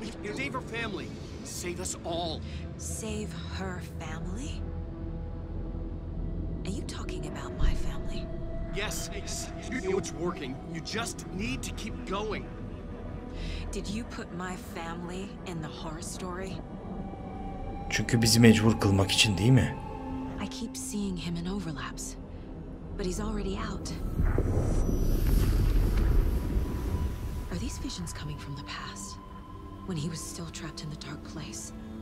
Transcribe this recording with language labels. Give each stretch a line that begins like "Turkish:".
English: Save her family. Save us all. Save her family? Are you talking about my family? Yes. You know it's working. You just need to keep going. Did you put my family in the horror story?
Turkish: Çünkü bizi mecbur kılmak için, değil mi?
English: I keep seeing him in overlaps. But he's already out. Are these visions coming from the past, when he was still trapped in the dark place?